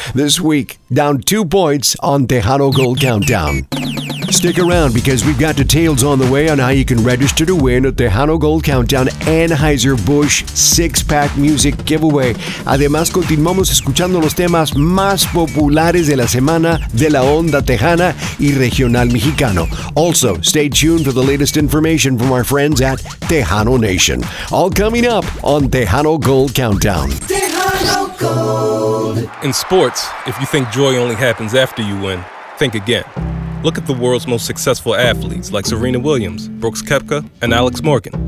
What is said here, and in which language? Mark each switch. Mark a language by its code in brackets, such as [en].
[en] This week, down 2 points on Tejano Gold Countdown. Stick around because we've got details on the way on how you can register to win a Tejano Gold Countdown Anheuser-Busch 6-Pack Music Giveaway. [es] Además, continuamos escuchando los temas más populares de la semana de la onda tejana y regional mexicano. [en] Also, stay tuned for the latest information from our friends at Tejano Nation. All coming up on Tejano Gold Countdown. Tejano Gold. In sports, if you think joy only happens after you win, think again. Look at the world's most successful athletes like Serena Williams, Brooks Koepka, and Alex Morgan.